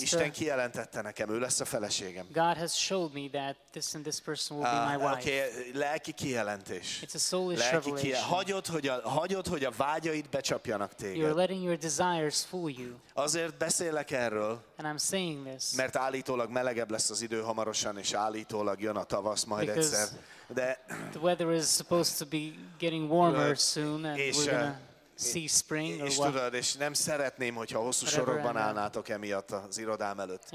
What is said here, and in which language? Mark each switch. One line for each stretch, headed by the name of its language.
Hungarian: Isten kijelentette nekem, ő lesz a feleségem.
English: God has showed me that this and this person will be my wife.
Hungarian: Okay, lelki kijelentés.
English: It's a soulish revelation.
Hungarian: Hagyod, hogy a vágyaid becsapjanak téged.
English: You're letting your desires fool you.
Hungarian: Azért beszélek erről,
English: and I'm saying this,
Hungarian: mert állítólag melegebb lesz az idő hamarosan, és állítólag jön a tavasz majd egyszer. De
English: the weather is supposed to be getting warmer soon, and we're gonna see spring or
Hungarian: és
English: what?
Hungarian: Tudod, és nem szeretném, hogyha hosszú
English: Whatever
Hungarian: sorokban állnátok emiatt az irodám előtt.